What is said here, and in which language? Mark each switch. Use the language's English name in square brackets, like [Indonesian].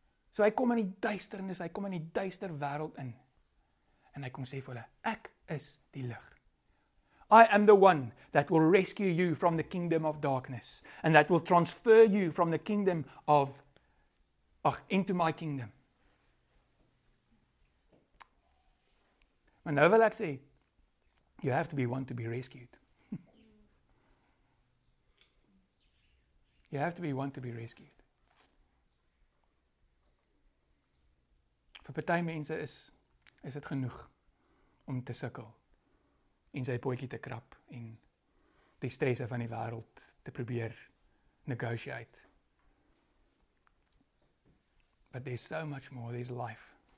[Afrikaans] So hy kom in die duisternis, hy kom in die duister wêreld in. En hy kom sê vir hulle, ek is die lig. [English] I am the one that will rescue you from the kingdom of darkness and that will transfer you from the kingdom of into my kingdom. [Afrikaans] Maar nou wil ek sê, [English] you have to be one to be rescued. You have to be one to be rescued. [Afrikaans] Vir party mense is dit genoeg om te sukkel en sy pootjie te krap en die stresse van die wêreld te probeer negotiate. [English] But there's so much more, there's life.